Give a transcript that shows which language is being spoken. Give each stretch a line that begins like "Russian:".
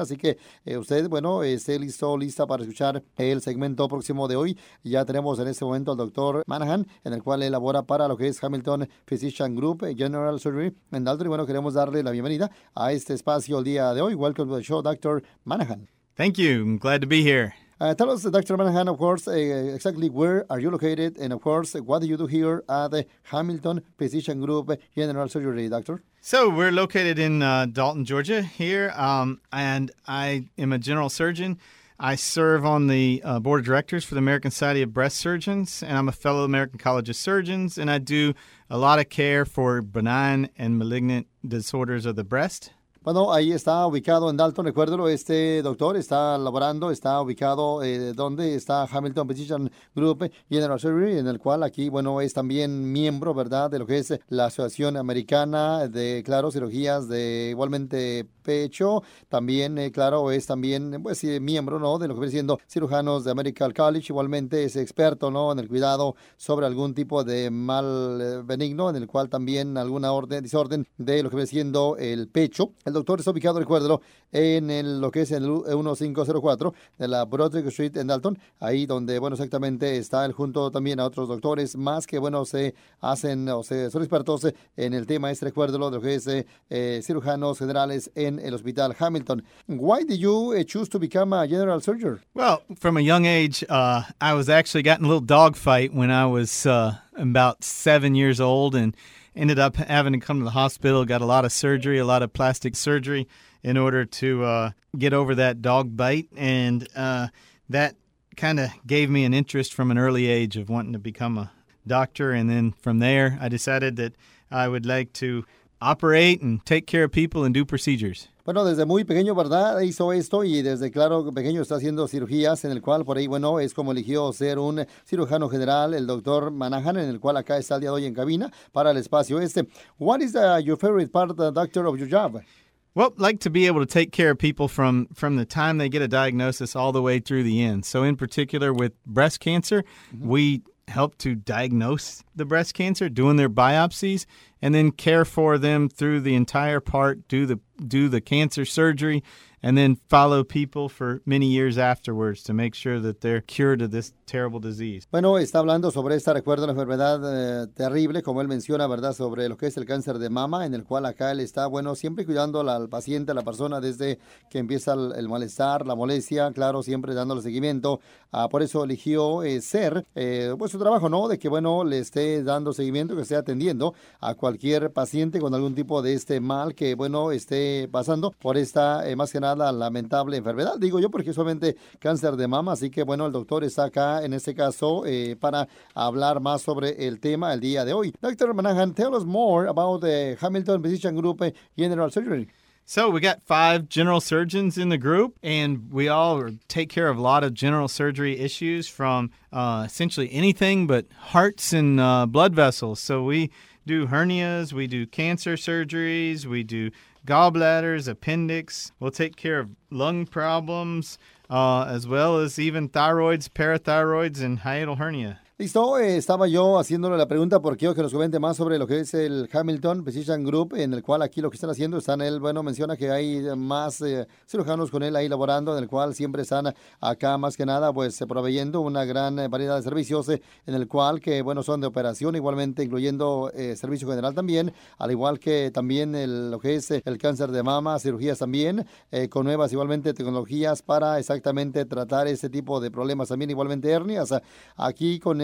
Spanish: Así que usted, bueno, esté listo, lista para escuchar el segmento próximo de hoy. Ya tenemos en este momento al doctor Manahan, en el cual elabora para lo que es Hamilton Physician Group General Surgery en Dalton. Y bueno, queremos darle la bienvenida a este espacio el día de hoy.
English: Welcome to the show, Dr. Manahan. Thank you. I'm glad to be here. Tell us, Dr. Manahan, of course, exactly where are you located? And of course, what do you do here at the Hamilton Physician Group General Surgery, Doctor? So we're located in Dalton, Georgia here. And I am a general surgeon. I serve on the board of directors for the American Society of Breast Surgeons, and I'm a fellow American College of Surgeons, and I do a lot of care for benign and malignant disorders of the breast.
Spanish: Bueno, ahí está ubicado en Dalton, recuérdelo, este doctor está laborando, está ubicado donde está Hamilton Physician Group General Surgery, en el cual aquí, bueno, es también miembro, ¿verdad?, de lo que es la Asociación Americana de, claro, cirugías de igualmente pecho, también, claro, es también, pues, miembro, ¿no?, de lo que viene siendo cirujanos de American College, igualmente es experto, ¿no?, en el cuidado sobre algún tipo de mal benigno, en el cual también alguna orden, desorden de lo que viene siendo el pecho. El doctor está ubicado, recuérdelo, en el, lo que es el 1504 de la Broderick Street en Dalton, ahí donde, bueno, exactamente está él junto también a otros doctores más que, bueno, se hacen o se son expertos en el tema este, recuérdelo, de lo que es cirujanos generales en el Hospital Hamilton.
English: Why did you choose to become a general surgeon? Well, from a young age, I was actually getting a little dog fight when I was about 7 years old, and ended up having to come to the hospital, got a lot of surgery, a lot of plastic surgery in order to get over that dog bite. And that kind of gave me an interest from an early age of wanting to become a doctor. And then from there, I decided that I would like to operate and take care of people and do procedures.
Spanish: Bueno, desde muy pequeño, ¿verdad? Hizo esto y desde, claro, pequeño está haciendo cirugías en el cual, por ahí, bueno, es como eligió ser un cirujano general, el doctor Manahan, en el cual acá está el día de hoy en cabina para el espacio este.
English: What is your favorite part, doctor, of your job? Well, like to be able to take care of people from the time they get a diagnosis all the way through the end. So in particular with breast cancer, mm-hmm. we help to diagnose the breast cancer, doing their biopsies, and then care for them through the entire part, do the cancer surgery, and then follow people for many years afterwards to make sure that they're cured of this terrible disease.
Spanish: Bueno, está hablando sobre esta, recuerdo, la enfermedad terrible, como él menciona, ¿verdad?, sobre lo que es el cáncer de mama, en el cual acá él está, bueno, siempre cuidando al paciente, a la persona, desde que empieza el malestar, la molestia, claro, siempre dándole seguimiento. Por eso eligió ser, pues, su trabajo, ¿no?, de que, bueno, le esté dando seguimiento, que esté atendiendo a cualquier paciente con algún tipo de este mal que, bueno, esté pasando por esta, más que nada, lamentable enfermedad. Digo yo, porque solamente cáncer de mama, así que, bueno, el doctor está acá, en este caso, para hablar más sobre el tema el día de hoy.
English: Dr. Manahan, tell us more about the Hamilton Physician Group General Surgery. So we got 5 general surgeons in the group, and we all take care of a lot of general surgery issues from essentially anything but hearts and blood vessels. So we do hernias, we do cancer surgeries, we do gallbladders, appendix. We'll take care of lung problems, as well as even thyroids, parathyroids, and hiatal hernia.
Spanish: Listo, estaba yo haciéndole la pregunta porque yo que nos comente más sobre lo que es el Hamilton Physician Group, en el cual aquí lo que están haciendo, están él, bueno, menciona que hay más cirujanos con él ahí laborando, en el cual siempre están acá más que nada, pues, proveyendo una gran variedad de servicios, en el cual que, bueno, son de operación, igualmente incluyendo servicio general también, al igual que también lo que es el cáncer de mama, cirugías también, con nuevas igualmente tecnologías para exactamente tratar ese tipo de problemas también, igualmente hernias. Aquí con